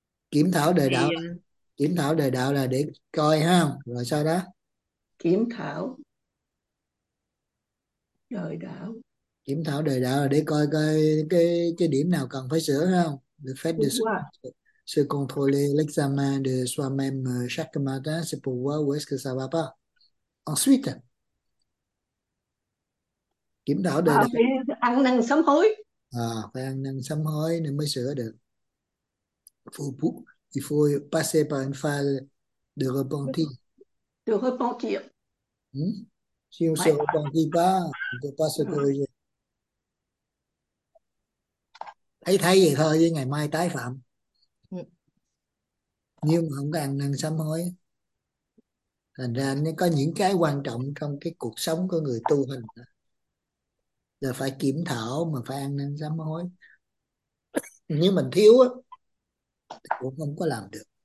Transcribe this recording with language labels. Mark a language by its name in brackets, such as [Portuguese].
[Vietnamese] Kiểm thảo đề đạo, kiểm thảo đề đạo là để coi ha, rồi sau đó Kiểm thảo đời đạo. kiểm thảo đề đạo là để coi coi cái điểm nào cần phải sửa không, được phép được Đúng quá. [French] sự contrôler l'examen de soi-même chaque matin c'est pour voir où est-ce que ça va pas. [Vietnamese] Ensuite kiểm thảo đề À, đạo phải ăn năn sám hối. à, phải ăn năn sám hối nên mới sửa được. [French] Il faut passer par une phase de repentir. Repentir. Si on ne se Ouais. repentit pas, on ne peut pas se Ouais. corriger. [Vietnamese] Thấy thấy vậy thôi, với ngày mai tái phạm. Nhưng mà không có ăn năn sám hối. Thành ra nó có những cái quan trọng trong cái cuộc sống của người tu hành. Là phải kiểm thảo mà phải ăn năn sám hối. Nếu mình thiếu á, cũng không có làm được.